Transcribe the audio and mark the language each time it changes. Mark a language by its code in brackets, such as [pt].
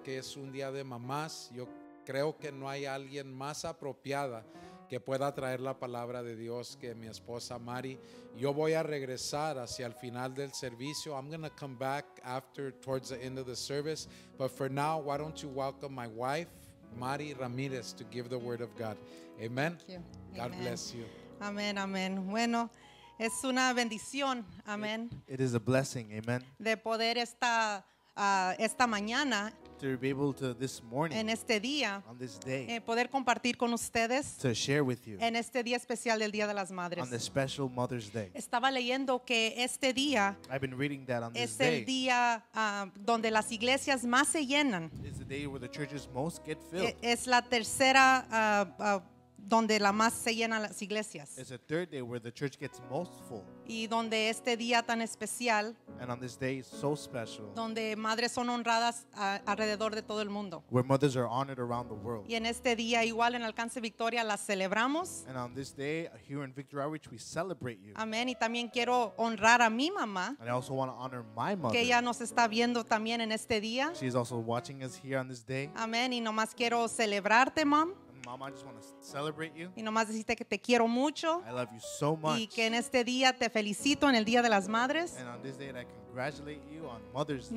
[es] Que es un día de mamás, yo creo que no hay alguien más apropiada que pueda traer la palabra de Dios que mi esposa Mari. Yo voy a regresar hacia el final del servicio. [en] I'm going to come back after, towards the end of the service. But for now, why don't you welcome my wife, Mari Ramirez, to give the word of God. Amen. Thank you. God Amen. Bless you. [es] Amen, amen. Bueno, es una bendición. Amen. [en] It is a blessing. Amen. [es] De poder esta mañana, [en] to be able to this morning, [es] en este día, [en] on this day, [es] poder compartir con ustedes, [en] to share with you, [es] en este día especial del Día de las Madres, [en] on the special Mother's Day. [es] Estaba leyendo que este día, [en] I've been reading that on [es] es [en] this [es] el [en] day, [es] día donde las iglesias más se llenan, [en] is the day where the churches most get filled, [es] es la tercera donde la más se llena las iglesias. [en] It's the third day where the church gets most full. [es] Y donde este día tan especial. [en] And on this day is so special. [es] Donde madres son honradas alrededor de todo el mundo. [en] Where mothers are honored around the world. [es] Y en este día igual en Alcance Victoria las celebramos. [en] And on this day here in Victory Outreach we celebrate you. [es] Amén. Y también quiero honrar a mi mamá. [en] And I also want to honor my mother. [es] Que ella nos está viendo también en este día. [en] She is also watching us here on this day. [es] Amén. Y nomás quiero celebrarte, mom. [en] Mom, I just want to celebrate you. [es] Y nomás decirte que te quiero mucho. [en] I love you so much. [es] Y que en este día te felicito en el Día de las Madres. [en] And on this day that I congratulate you on Mother's Day.